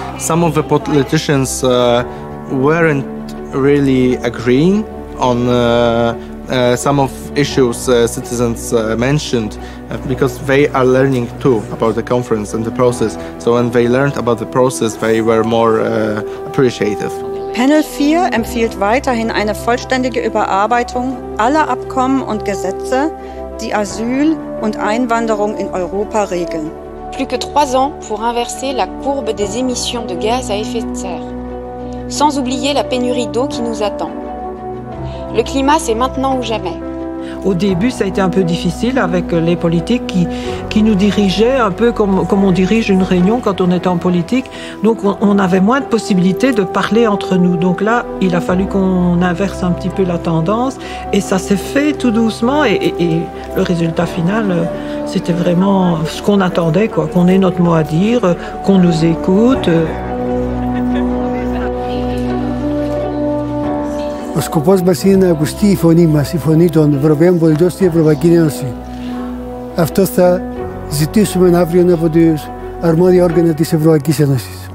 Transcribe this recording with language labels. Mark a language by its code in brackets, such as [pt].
[en] Some of the politicians weren't really agreeing on some of issues citizens mentioned, because they are learning too about the conference and the process. So when they learned about the process, they were more appreciative. [de] Panel 4 empfiehlt weiterhin eine vollständige Überarbeitung aller Abkommen und Gesetze, die Asyl und Einwanderung in Europa regeln. [fr] Plus que 3 ans pour inverser la courbe des émissions de gaz à effet de serre, sans oublier la pénurie d'eau qui nous attend. Le climat, c'est maintenant ou jamais. Au début, ça a été un peu difficile avec les politiques qui nous dirigeaient un peu comme on dirige une réunion quand on est en politique. Donc, on avait moins de possibilités de parler entre nous. Donc là, il a fallu qu'on inverse un petit peu la tendance. Et ça s'est fait tout doucement. Et le résultat final, c'était vraiment ce qu'on attendait, quoi. Qu'on ait notre mot à dire, qu'on nous écoute. [el] Ο σκοπός μας είναι να ακουστεί η φωνή μας, η φωνή των Ευρωπαίων πολιτών στην Ευρωπαϊκή Ένωση. Αυτό θα ζητήσουμε αύριο από τους αρμόδια όργανα της Ευρωπαϊκής Ένωσης.